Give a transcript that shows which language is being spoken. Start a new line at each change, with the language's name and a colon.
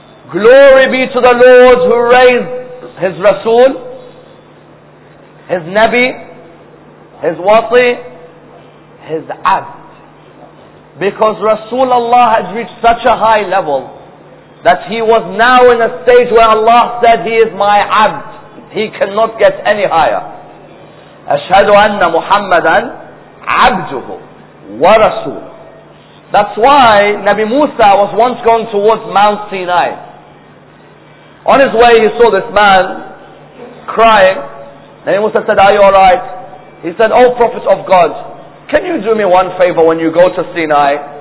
English: Glory be to the Lord who raised his Rasul, his Nabi, his Wasi, his Abd. Because Rasulullah has reached such a high level that he was now in a stage where Allah said, he is my Abd. He cannot get any higher.
Arabic: أشهد أن محمدًا عبده ورسوله.
English: That's why Nabi Musa was once going towards Mount Sinai. On his way he saw this man crying. Nabi Musa said, are you alright? He said, oh Prophet of God, can you do me one favor when you go to Sinai?